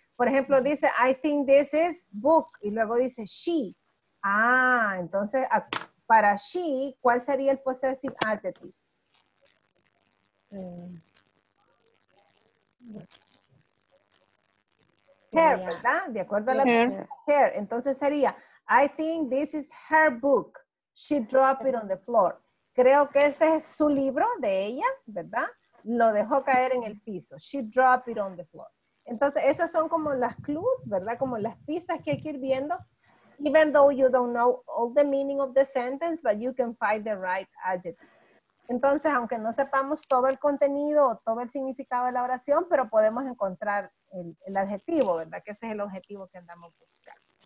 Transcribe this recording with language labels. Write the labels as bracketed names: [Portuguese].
[Spanish] Por ejemplo, dice, [English] I think this is book. [Spanish] Y luego dice, she. Ah, entonces, para she, ¿cuál sería el possessive adjective? Her, ¿verdad? De acuerdo a la her. Entonces sería, [English] I think this is her book. She dropped it on the floor. [Spanish] Creo que ese es su libro de ella, ¿verdad? Lo dejó caer en el piso. [English] She dropped it on the floor. [Spanish] Entonces, esas son como las clues, ¿verdad? Como las pistas que hay que ir viendo. [English] Even though you don't know all the meaning of the sentence, but you can find the right adjective. [Spanish] Entonces, aunque no sepamos todo el contenido o todo el significado de la oración, pero podemos encontrar el adjetivo, ¿verdad? Que ese es el objetivo que andamos buscando.